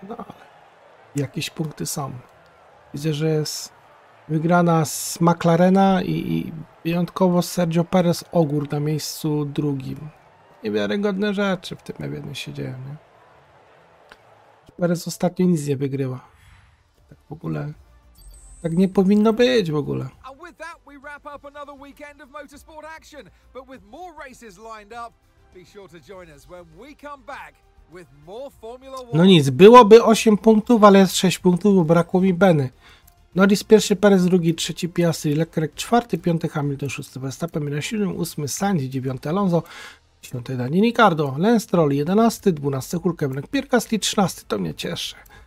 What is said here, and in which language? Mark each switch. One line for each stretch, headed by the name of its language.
Polish: No ale jakieś punkty są. Widzę, że jest wygrana z McLarena i wyjątkowo Sergio Perez Ogur na miejscu drugim. Niewiarygodne rzeczy w tym jednym się dzieją, nie? Perez ostatnio nic nie wygrywa. Tak w ogóle. Tak nie powinno być w ogóle.
English: A with that we wrap up another weekend of motorsport action. But with more races lined up, be sure to join us when we come back with more Formula 1.
Polish: No nic, byłoby 8 punktów, ale jest 6 punktów, bo brakło mi Beny. Norris pierwszy, Perez drugi, trzeci Piastri, Leclerc czwarty, piąty Hamilton, szósty Verstappen, na siódmym, ósmy Sainz, dziewiąty Alonso, dziesiąty Daniel Ricciardo, Lance Stroll, jedenasty, dwunasty Hulkenberg, Piastri, trzynasty, to mnie cieszy.